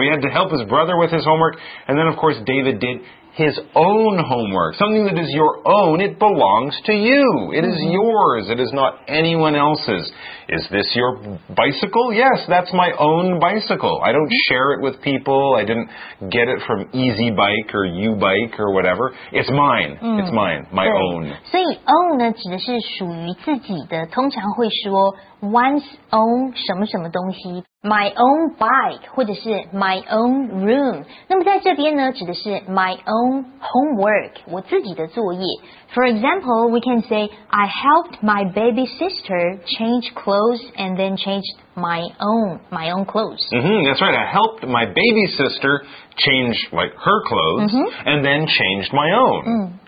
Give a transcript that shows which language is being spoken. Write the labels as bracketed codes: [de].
[en] So he had to help his brother with his homework. And then, of course, David did his own homework, something that is your own. It belongs to you. It is yours. It is not anyone else's. Is this your bicycle? Yes, that's my own bicycle. I don't share it with people. I didn't get it from Easy Bike or U Bike or whatever. It's mine. It's mine. My own. [zh] 所以 own 呢指的是属于自己的，通常会说 one's own 什么什么东西。 [en] My own bike, [zh] 或者是 [en] my own room. [zh] 那么在这边呢指的是 [en] my own homework, [zh] 我自己的作业。 [en] For example, we can say, I helped my baby sister change clothes and then changed my own clothes. That's right. I helped my baby sister change, like, her clothes and then changed my own.